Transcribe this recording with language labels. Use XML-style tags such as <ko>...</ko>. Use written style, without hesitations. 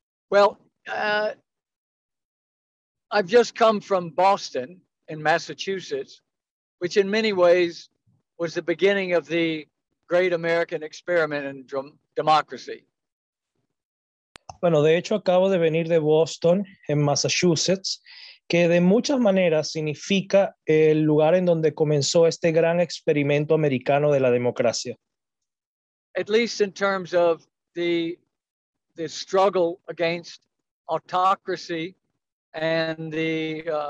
<en>Well, I've just come from Boston in Massachusetts, which in many ways was the beginning of the great American experiment in democracy.</en> <es>Bueno, de hecho, acabo de venir de Boston en Massachusetts, que de muchas maneras significa el lugar en donde comenzó este gran experimento americano de la democracia.</es> <en>At least in terms of the struggle against autocracy and the</en>